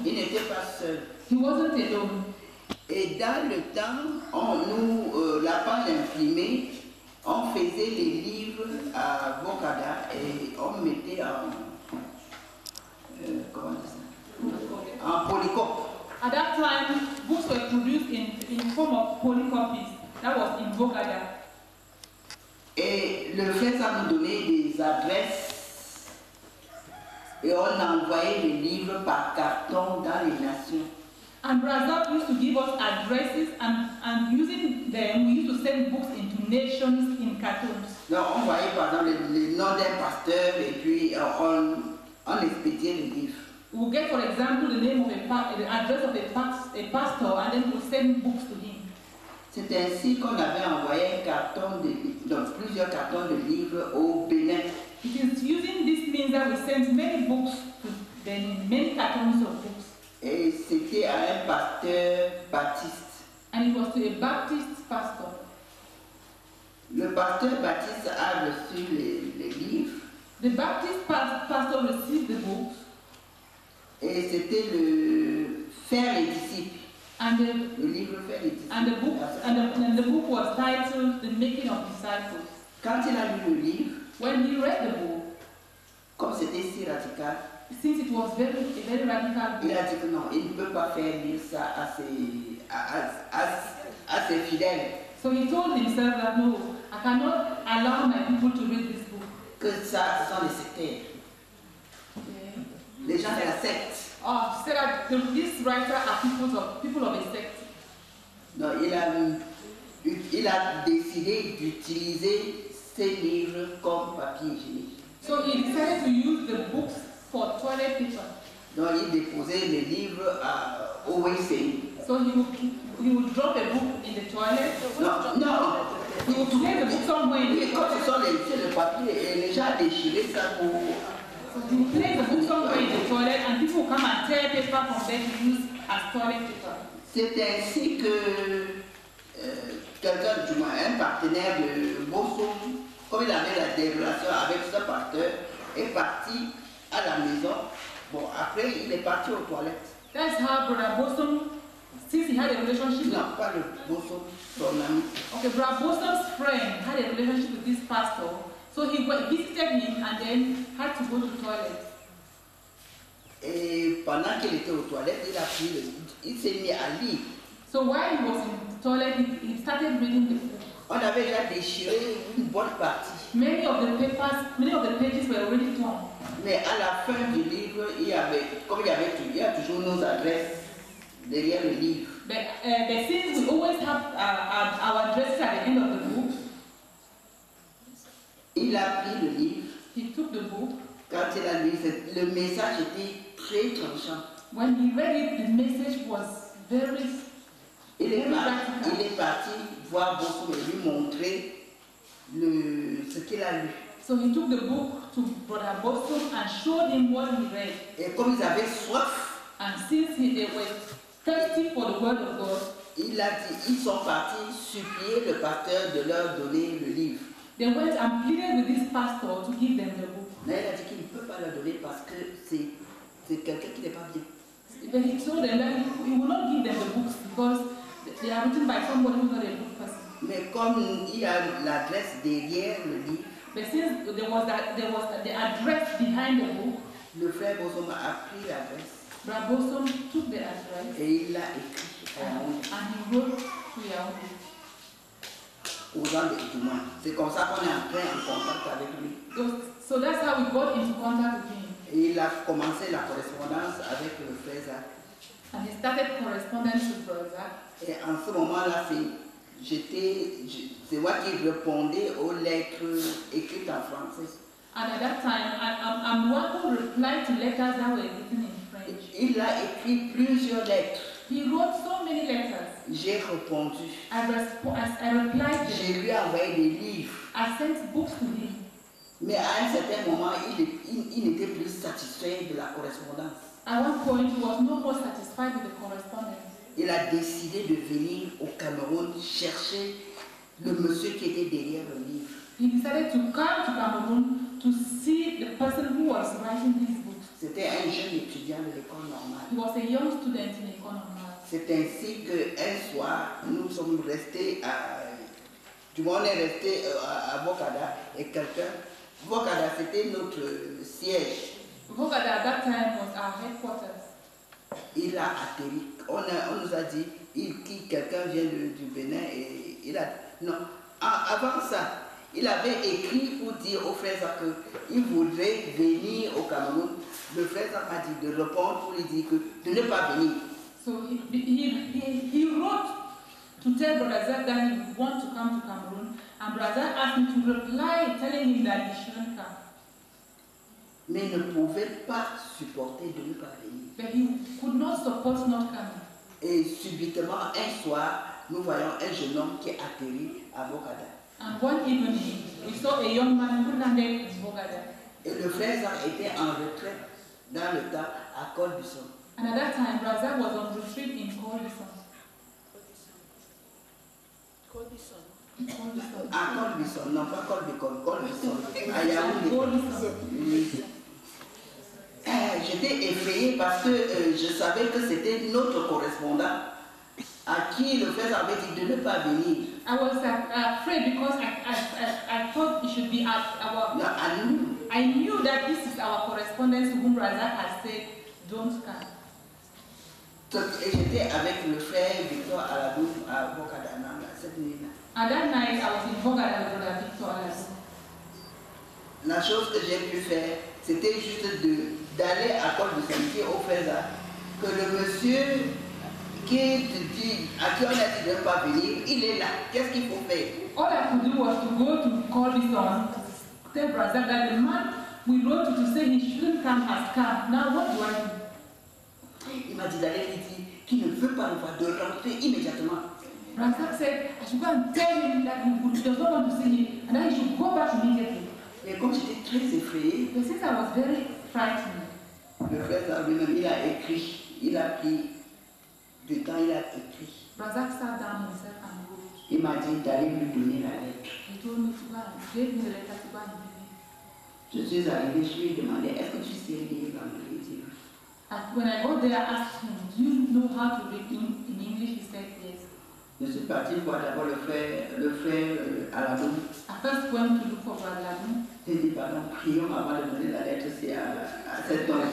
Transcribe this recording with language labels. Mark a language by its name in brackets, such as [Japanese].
[French] Il n'était pas seul. [English] He wasn't alone. [French] Et dans le temps, la page imprimée, on faisait les livres à Bokada et on mettait en polycope. [English] At that time, books were produced in the form of polycopies. That was in Bokada. [French] Et le frère ça nous donnait des adresses et on envoyait les livres par carton dans les nations. [English] And Brazop used to give us addresses and using them, we used to send books into nations in cartons. [French] Non, on voyait par exemple les noms des pasteurs et puis on expédiait les livres. [English] We'll get, for example, the name of the address of a pastor and then we'll send books to him. [French] C'est ainsi qu'on avait envoyé plusieurs cartons de livres au Bénin. [English] It is using this means that we send many books to Benin, many cartons of books. [French] Et c'était à un pasteur baptiste. [English] And it was to a Baptist pastor. [French] Le pasteur baptiste a reçu les livres. [English] The Baptist pastor received the books. [French] Et c'était le Faire les disciples. [English] And the, [French] le livre Faire les disciples. [English] And the book, and the book was titled The Making of Disciples. [French] Quand il a lu le livre, [English] when he read the book, [French] comme c'était si radical, [English] since it was very radical. [French] Il a dit que non, il ne peut pas faire lire ça à ses fidèles. [English] So he told himself that no, I cannot allow my people to read this book. [French] Que ça, ce sont les sectaires. Les gens de la secte. [English] Oh, so that this writer are people of a sect. [French] Non, il a décidé d'utiliser ces livres comme papier hygiénique. [English] So he decided to use the books for toilet paper. [French] Donc il déposait les livres à au WC. [English] So he would drop a book in the toilet. [French] Non. [English] He would put the book somewhere. [French] Oui, quand ils sont les le papier est déjà déchiré ça pour. [English] So he would place the book somewhere in the toilet and people would come and tear paper from there to use as toilet paper. [French] C'est ainsi que quelqu'un, du moins un partenaire de Bosson, comme il avait la relation avec ce partenaire, est parti à la maison. Bon, après, il est parti aux toilettes. [English] That's how Brother Bosson, since he had a relationship. [French] Non, pas le Bosson, son ami. [English] Okay, Brother Bosson's friend had a relationship with this pastor, so he visited him and then had to go to the toilet. [French] Et pendant qu'il était aux toilettes, il a pris le, il s'est mis à lire. [English] So while he was in the toilet, he started reading the book. [French] On avait déjà déchiré une bonne partie. [English] Many of the pages were already torn. [French] Mais à la fin du livre, il y a toujours nos adresses derrière le livre. [English] But since we always have our addresses at the end of the book, [French] il a pris le livre. [English] He took the book. [French] Quand il a lu, le message était très tranchant. [English] When he read it, the message was very. [French] Il est parti voir Bosson et lui montrer ce qu'il a lu. [English] So he took the book to Brother Bosson and showed him what he read. [French] Et comme ils avaient soif, [English] and since they were thirsty for the word of God, [French] il a dit, ils sont partis supplier le pasteur de leur donner le livre. [English] They went and pleaded with this pastor to give them the book. [French] Mais il a dit qu'il ne peut pas le donner parce que c'est quelqu'un qui n'est pas bien. [English] But he told them that he will not give them the books because they are written by somebody who is not a good person. [French] Mais comme il y a l'adresse derrière le livre. [English] But since there was the address behind the book. [French] Le frère Bosson a pris l'adresse. [English] Brother Bosson took the address. [French] Et il l'a écrit. [English] And he wrote to Yahweh. [French] Aux gens de Ituman. C'est comme ça qu'on est entré en contact avec lui. [English] So that's how we got into contact with him. [French] Et il a commencé la correspondance avec le frère Zach. [English] And he started correspondence with Brother Zach. [French] Et en ce moment-là, c'est moi qui répondais aux lettres écrites en français. [English] And at that time, I'm the one who replied to letters that were written in French. [French] Il a écrit plusieurs lettres. [English] He wrote so many letters. [French] J'ai répondu. [English] I replied to him. [French] J'ai lui envoyé des livres. [English] I sent books to him. [French] Mais à un certain moment, il n'était plus satisfait de la correspondance. [English] At one point, he was no more satisfied with the correspondence. [French] Il a décidé de venir au Cameroun chercher le monsieur qui était derrière le livre. [English] He decided to come to Cameroon to see the person who was writing this book. [French] C'était un jeune étudiant de l'école normale. [English] He was a young student in l'école normale. [French] C'est ainsi que un soir, nous sommes restés à, du moins on est resté à Bokada et quelqu'un. Bokada, c'était notre siège. [English] Bokada, at that time, was our headquarters. [French] Il a atterri. On nous a dit, quelqu'un vient du Bénin et il a... Non, avant ça, il avait écrit pour dire au frère Zach qu'il voudrait venir au Cameroun. Le frère Zach a dit de répondre pour lui dire que de ne pas venir. [English] So he wrote to tell Brother Zach that he wants to come to Cameroon. And Brother asked him to reply, telling him that he shouldn't come. [French] Mais ne pouvait pas supporter de ne pas venir. [English] But he could not support not coming. [French] Et subitement, un soir, nous voyons un jeune homme qui atterrit à Bokada. [English] And one evening, we saw a young man who landed in Bokada. [French] Et le frère était en retrait dans le temps à Colbison. [English] And at that time, Brother was on retreat in Colbison. [French] À Colbison, non pas Colbison, Colbison, à Yaoundé. J'étais effrayé parce que je savais que c'était notre correspondant à qui le frère avait dit de ne pas venir. [English] I was afraid because I thought it should be I knew that this is our correspondent whom Raza has said, don't come. [French] Et j'étais avec le frère Victor Aladou à Bokadana cette nuit-là. [English] And that night, I was in Bokada with Brother Victor Aladou. [French] La chose que j'ai pu faire, c'était juste d'aller à Côte de Saint-Pierre au frère que le monsieur qui te dit, à qui on a dit de ne pas venir, il est là. Qu'est-ce qu'il faut faire? [English] All I could do was to go to call this on. Tell brother that the man we wrote to say he shouldn't come has come. Now what do I do? [French] Il m'a dit d'aller lui dire qu'il ne veut pas nous voir, de rentrer immédiatement. [English] Brother said, I should go and tell him that he would not want to see him, and then he should go back immediately. [French] Mais comme j'étais très effrayée, [English] but since I was very frightened, [French] le frère lui-même, il a écrit, il a pris du temps, il a écrit. [English] Razak sat down himself and wrote. [French] Il m'a dit d'aller lui donner la lettre. [English] He told me to go and give me the letter to go and give me. [French] Je suis arrivé, je lui ai demandé, est-ce que tu sais lire en anglais? [English] And when I got there, I asked him, do you know how to read in English? He said yes. [French] Je suis parti voir d'abord le frère à la maison. [English] I first went to look for brother Aladou. [French] J'ai dit pardon, prions avant de donner la lettre aussi à cet homme.